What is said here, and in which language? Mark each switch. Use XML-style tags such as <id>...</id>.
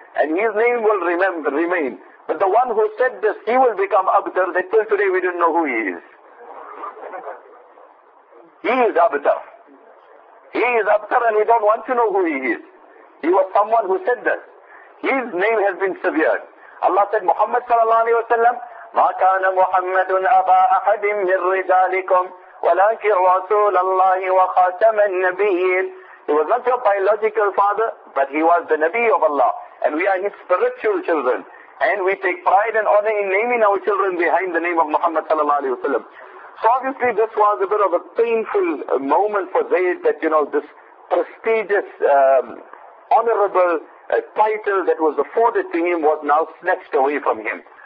<en>And his name will remain. But the one who said this, he will become Abtar, that till today we don't know who he is. He is Abtar. He is Abtar and we don't want to know who he is. He was someone who said this. His name has been severed. Allah said, Muhammad sallallahu alayhi wa sallam,</en> <ar>مَا كَانَ مُحَمَّدٌ أَبَا أَحَدٍ مِّن رِجَالِكُمْ وَلَكِ رَسُولَ اللَّهِ وَخَاتَمَ النَّبِيِّينَ.</ar> <en>He was not your biological father, but he was the Nabi of Allah. And we are his spiritual children. And we take pride and honor in naming our children behind the name of Muhammad sallallahu alayhi wa sallam. So obviously this was a bit of a painful moment for Zayd, that, you know, this prestigious, honorable title that was afforded to him was now snatched away from him.</en>